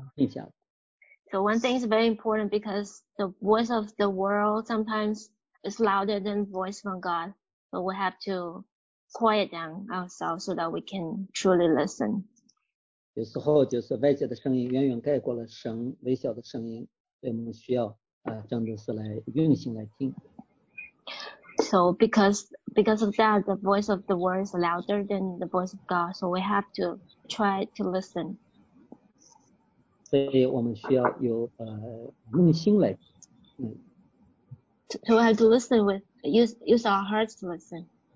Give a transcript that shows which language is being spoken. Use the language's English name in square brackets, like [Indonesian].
[English] So one thing is very important because the voice of the world sometimes is louder than voice from God, but we have to quiet down ourselves so that we can truly listen. [Chinese] 有时候就是外界的声音远远盖过了神微小的声音，所以我们需要真的是来用心来听。 [English] So because of that, the voice of the world is louder than the voice of God, so we have to try to listen. [Chinese] 所以我们需要有用心来 [English] So we have to listen with use our hearts to listen.